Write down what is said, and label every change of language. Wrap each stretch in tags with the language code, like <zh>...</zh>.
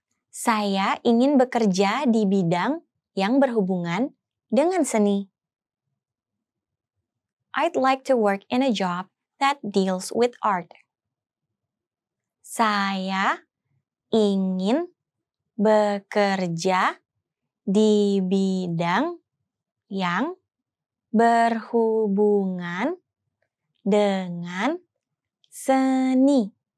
<id>Saya ingin bekerja di bidang yang berhubungan dengan seni.</id> <en>I'd like to work in a job that deals with art.</en> <id>Saya ingin bekerja di bidang yang berhubungan dengan seni.</id>